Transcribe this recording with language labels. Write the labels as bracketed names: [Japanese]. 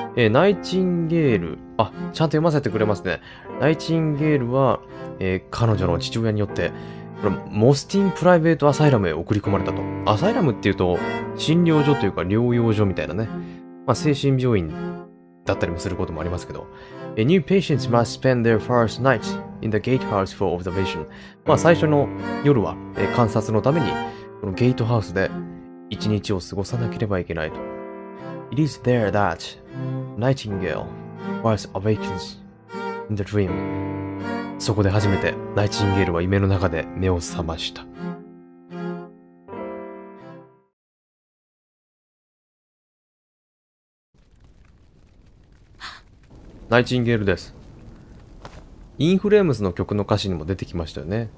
[Japanese] ナイチンゲール、あ、ちゃんと読ませてくれますね。ナイチンゲールは、彼女の父親によって、これモスティン・プライベート・アサイラムへ送り込まれたと。アサイラムっていうと、診療所というか療養所みたいなね。まあ、精神病院だったりもすることもありますけど。 [English] New patients must spend their first night in the gatehouse for observation. [Japanese] まあ最初の夜は、観察のために、このゲートハウスで一日を過ごさなければいけないと。 [English] It is there that Nightingale was awakened in the dream. [Japanese] そこで初めてナイチンゲールは夢の中で目を覚ました。ナイチンゲールです。インフレームズの曲の歌詞にも出てきましたよね。